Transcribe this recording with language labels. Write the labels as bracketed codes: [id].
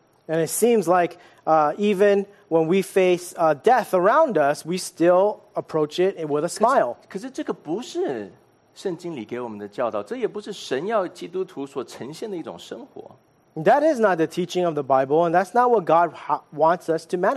[en] And it seems like even when we face death around us, we still approach it with a smile. [zh] 可是这个不是圣经里给我们的教导，这也不是神要基督徒所呈现的一种生活。 [en] That is not the teaching of the Bible, and that's not what God wants us to manifest in our